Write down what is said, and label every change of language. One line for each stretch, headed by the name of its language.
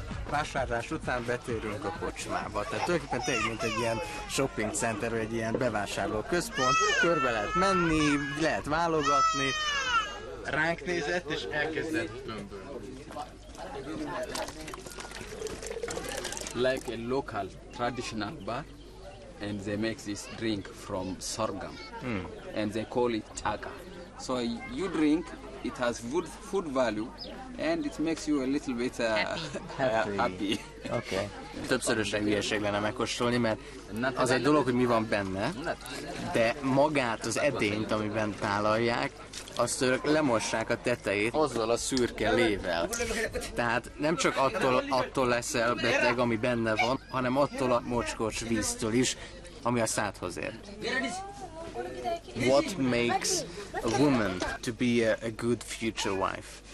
Hungarian: Vásárlás után betérünk a kocsmába. Tehát tulajdonképpen tényleg, mint egy ilyen shopping center, egy ilyen bevásárló központ. Körbe lehet menni, lehet válogatni. Ránk nézett, és elkezdett tömbölni.
English: Like a local traditional bar, and they make this drink from sorghum. And they call it chaga. So you drink, it has food value, and it makes you a little bit happy. Okay.
Hungarian: Többszörösen hülyeség lenne megkóstolni, mert az egy dolog, hogy mi van benne, de magát az edényt, amiben tálalják, azt lemossák a tetejét azzal a szürke lével. Tehát nem csak attól leszel beteg, ami benne van, hanem attól a mocskos víztől is, ami a szádhoz ér.
English: What makes a woman to be a good future wife?